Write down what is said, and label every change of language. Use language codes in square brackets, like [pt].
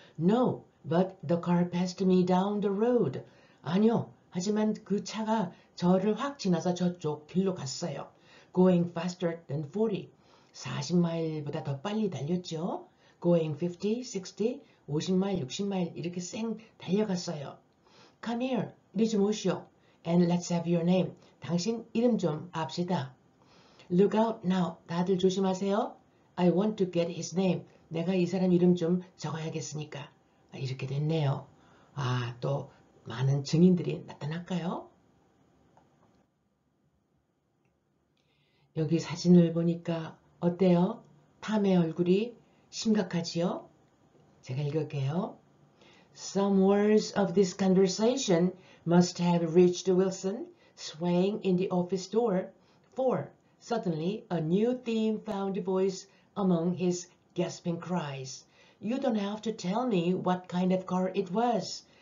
[en] No, but the car passed me down the road. [ko] 아니요, 하지만 그 차가 저를 확 지나서 저쪽 길로 갔어요. [en] Going faster than 40. [ko] 40마일보다 더 빨리 달렸죠? [en] Going 50, 60, [ko] 50마일, 60마일 이렇게 쌩 달려갔어요. [en] Come here, [ko] 이리 좀 오시오. [en] And let's have your name. [ko] 당신 이름 좀 압시다. [en] Look out now. [ko] 다들 조심하세요. [en] I want to get his name. [ko] 내가 이 사람 이름 좀 적어야겠으니까. 이렇게 됐네요. 아, 또 많은 증인들이 나타날까요? 여기 사진을 보니까 어때요? 탐의 얼굴이 심각하지요? 제가 읽을게요. [en] Some words of this conversation must have reached Wilson, swaying in the office door. For suddenly a new theme found voice among his gasping cries. You don't have to tell me what kind of car it was.